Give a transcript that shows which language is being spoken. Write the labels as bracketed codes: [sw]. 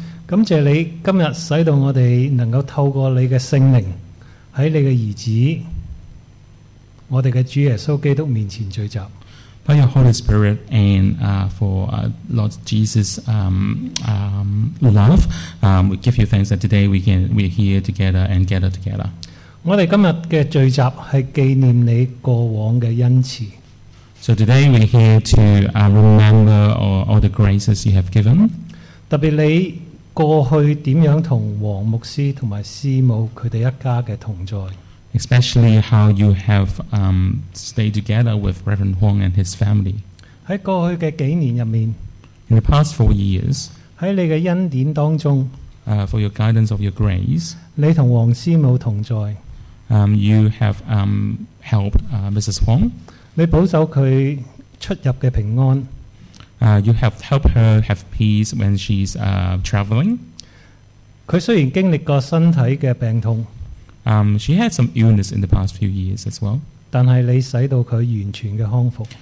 [zh] 感谢你今天使到我们能够透过你的圣灵在你的儿子我们的主耶稣基督面前聚集。 [en] By your Holy Spirit and Lord Jesus' love, we give you thanks that today we're here together and gather together. [zh] 我们今天的聚集是纪念你过往的恩慈。 [en] So today we're here to remember all the graces you have given. [zh] 特别你过去怎样跟黄牧师和师母他们一家的同在。 [en] Especially how you have stayed together with Reverend Huang and his family. [zh] 在过去的几年里面。 [en] In the past 4 years. [zh] 在你的恩典当中。 [en] For your guidance of your grace. [zh] 你和黄师母同在。 [en] You have helped Mrs. Huang. [zh] 你保守她出入的平安。 [en] You have helped her have peace when she's traveling. [zh] 她虽然经历过身体的病痛。 [en] She had some illness in the past few years as well. [zh] 但是你使到她完全的康复。